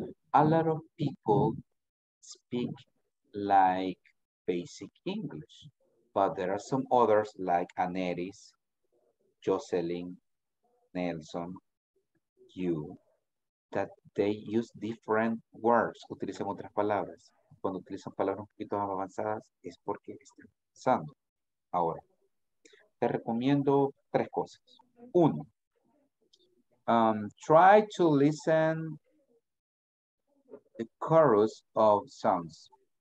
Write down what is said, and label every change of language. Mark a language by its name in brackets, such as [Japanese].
[English] A lot of people speak like basic English, but there are some others like Aneris, Jocelyn, Nelson, you, that they use different words, [Spanish] utilizan otras palabras. Cuando utilizan palabras un poquito más avanzadas, es porque están pensando. Ahora, te recomiendo tres cosas. [English] Uno, try to listen the chorus of songs.